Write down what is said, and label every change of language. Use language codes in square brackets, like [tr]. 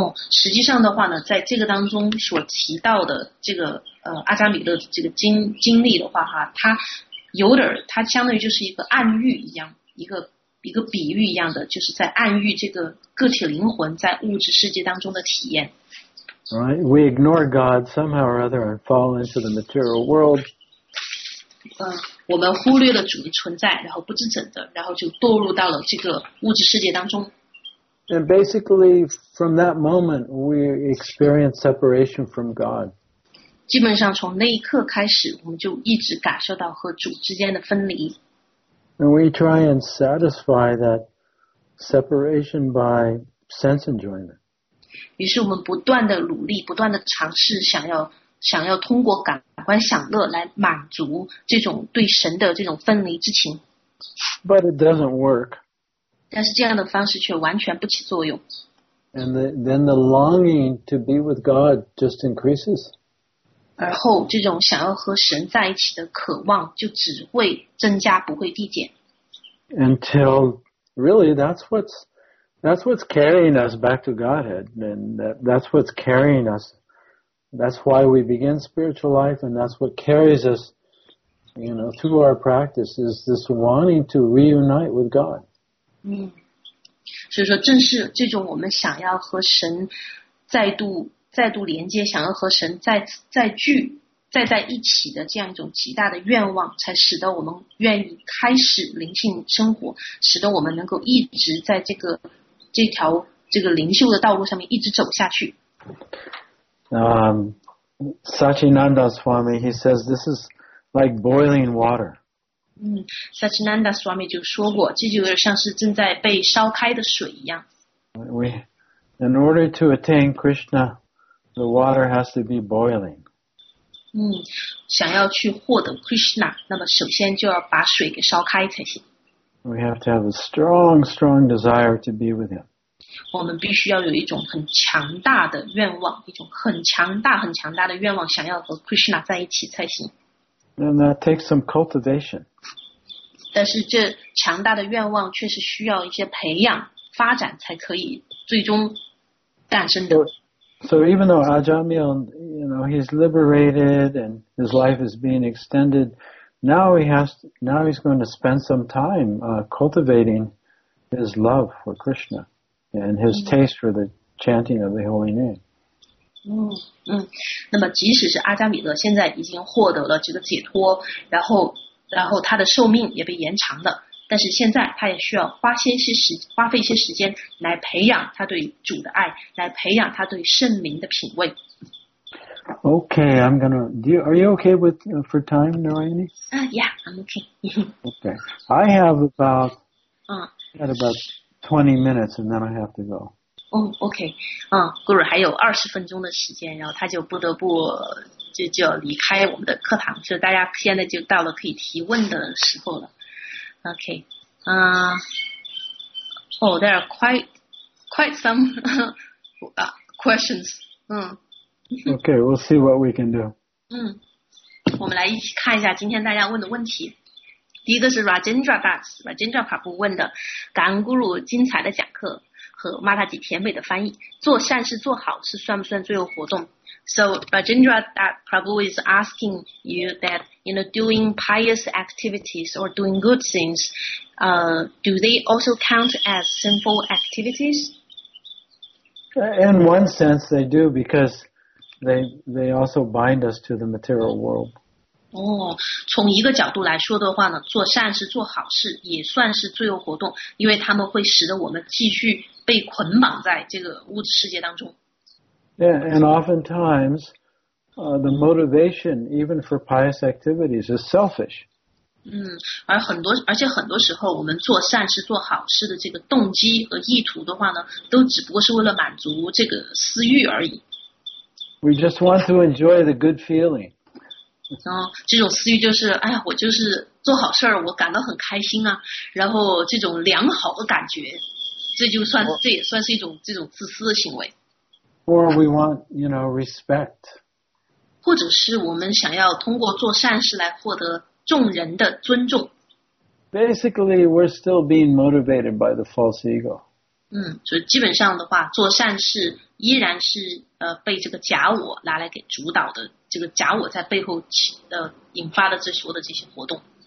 [zh] 实际上的话呢，在这个当中所提到的这个阿加米勒的这个经历的话哈，它相当于就是一个暗喻一样，一个比喻一样的，就是在暗喻这个个体灵魂在物质世界当中的体验。 [en] Right, we ignore God somehow or other and fall into the material world. [zh] 我们忽略了主的存在，然后不知怎的，然后就堕入到了这个物质世界当中。 [en] And basically, from that moment, we experience separation from God. [zh] 基本上从那一刻开始，我们就一直感受到和主之间的分离。 [en] And we try and satisfy that separation by sense enjoyment. [zh] 于是我们不断的努力，不断的尝试，想要通过感官享乐来满足这种对神的这种分离之情。 [en] But it doesn't work. [zh] 但是这样的方式却完全不起作用。 [en] And then the longing to be with God just increases. [zh] 而后这种想要和神在一起的渴望就只会增加，不会递减。 [en] Until really That's what's carrying us back to Godhead, and that's what's carrying us. That's why we begin spiritual life, and that's what carries us, you know, through our practice, is this wanting to reunite with God. [zh] 所以说正是这种我们想要和神再度连接，想要和神再一起的这样一种极大的愿望，才使得我们愿意开始灵性生活，使得我们能够一直在这条灵修的道路上面一直走下去。 [en] Sachinanda Swami, he says this is like boiling water. [zh] Sachinanda Swami 就说过，这就有点像是正在被烧开的水一样。 [en] In order to attain Krishna, the water has to be boiling. [zh] 想要去获得 Krishna, 那么首先就要把水给烧开才行。 [en] We have to have a strong, strong desire to be with him. [zh] 我们必须要有一种很强大的愿望，一种很强大、很强大的愿望，想要和 Krishna 在一起才行。 [en] And that takes some cultivation. [zh] 但是这强大的愿望确实需要一些培养、发展才可以最终诞生的。 [en] So even though Ajamil, you know, he's liberated and his life is being extended, now he's going to spend some time, cultivating his love for Krishna and his taste for the chanting of the holy name. [zh] 那么即使是阿加米勒现在已经获得了这个解脱，然后他的寿命也被延长了，但是现在他也需要花费一些时间来培养他对主的爱，来培养他对圣灵的品味。 [en] Okay, I'm gonna. Are you okay with for time, Narayani? Yeah, I'm okay. Okay, I have about. Got about 20 minutes, and then I have to go. Okay. [zh] Guru 还有二十分钟的时间，然后他就不得不就要离开我们的课堂，所以大家现在就到了可以提问的时候了。 [en] Okay. There are quite some questions. Okay, we'll see what we can do. [zh] 我们来一起看一下今天大家问的问题。第一个是 Rajendra Das, Rajendra Prabhu 问的，感恩 Guru 精彩的讲课和 Mataji 甜美的翻译，做善事做好是算不算最后活动？ [en] So Rajendra Prabhu is asking you that, you know, doing pious activities or doing good things, do they also count as sinful activities? In one sense they do, because they also bind us to the material world. [zh] 从一个角度来说的话呢，做善事做好事也算是罪恶活动，因为他们会使得我们继续被捆绑在这个物质世界当中。 [en] Yeah, and oftentimes, the motivation even for pious activities is selfish. [zh] 而且很多时候我们做善事做好事的这个动机和意图的话呢，都只不过是为了满足这个私欲而已。 [en] We just want to enjoy the good feeling. [zh] 这种私欲就是，哎呀，我就是做好事儿，我感到很开心啊。然后这种良好的感觉，这也算是一种这种自私的行为。 [en] Or we want, you know, respect. [zh] 或者是我们想要通过做善事来获得众人的尊重。 [en] Basically, we're still being motivated by the false ego. [zh] 所以基本上的话，做善事依然是被这个假我拿来给主导的，这个假我在背后引发的这所有的这些活动。